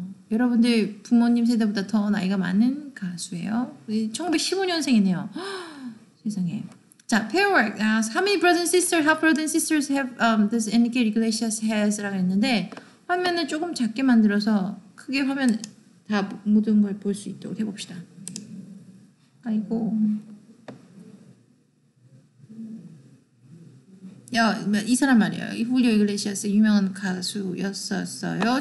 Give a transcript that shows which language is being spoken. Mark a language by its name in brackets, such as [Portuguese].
[Korean] 여러분들 부모님 세대보다 더 나이가 많은 가수예요. 1915년생이네요. 세상에. 자, pair work. [English] Ask, how many brothers and sisters, half brothers and sisters have, does Enrique Iglesias has? [Korean] 라고 했는데 화면을 조금 작게 만들어서 크게 화면 다 모든 걸 볼 수 있도록 해봅시다. 아이고. 야, 이 사람 말이에요. 이 Julio Iglesias 유명한 가수였었어요.